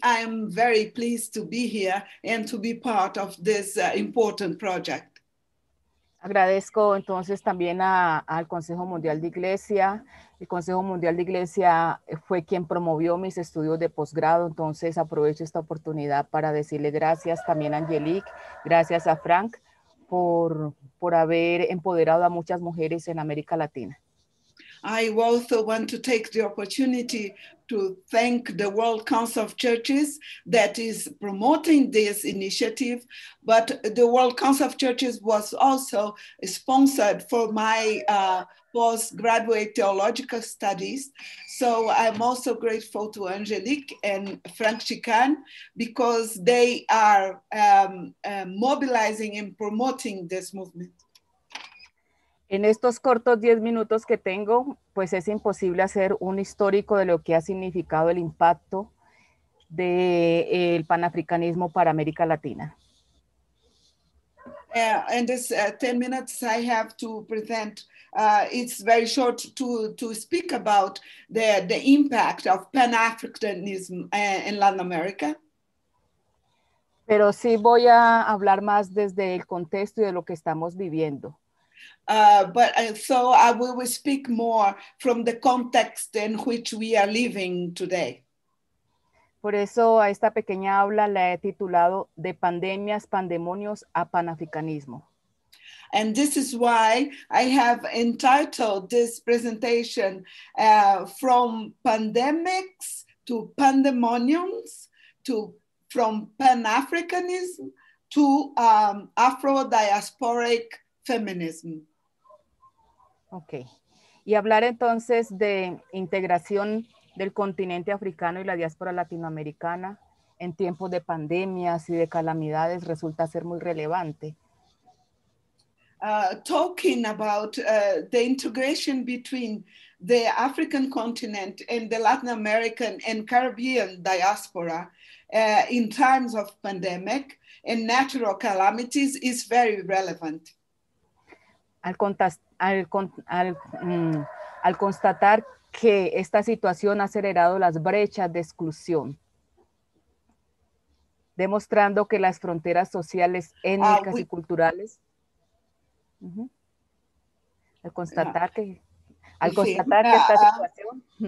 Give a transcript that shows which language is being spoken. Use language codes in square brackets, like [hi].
[en] I am very pleased to be here and to be part of this important project. [es] Agradezco entonces también al Consejo Mundial de Iglesia. El Consejo Mundial de Iglesia fue quien promovió mis estudios de posgrado. Entonces aprovecho esta oportunidad para decirle gracias también a Angelique, gracias a Frank por haber empoderado a muchas mujeres en América Latina. [en] I also want to take the opportunity to thank the World Council of Churches that is promoting this initiative, but the World Council of Churches was also sponsored for my postgraduate theological studies. So I'm also grateful to Angelique and Frank Chican because they are mobilizing and promoting this movement. [es] En estos cortos 10 minutos que tengo, pues es imposible hacer un histórico de lo que ha significado el impacto del panafricanismo para América Latina. [en] In this 10 minutes I have to present, it's very short to speak about the impact of panafricanism in Latin America. [es] Pero sí voy a hablar más desde el contexto y de lo que estamos viviendo. [en] So I will speak more from the context in which we are living today. [es] Por eso a esta pequeña aula la he titulado De pandemias, pandemonios a panafricanismo. [en] And this is why I have entitled this presentation From Pandemics to Pandemoniums to From Panafricanism to Afro-Diasporic Feminism. Ok. [es] Y hablar entonces de integración del continente africano y la diáspora latinoamericana en tiempos de pandemias y de calamidades resulta ser muy relevante. [en] Talking about the integration between the African continent and the Latin American and Caribbean diaspora in times of pandemic and natural calamities is very relevant. [es] Al constatar que esta situación ha acelerado las brechas de exclusión, demostrando que las fronteras sociales, étnicas y culturales, al constatar que esta situación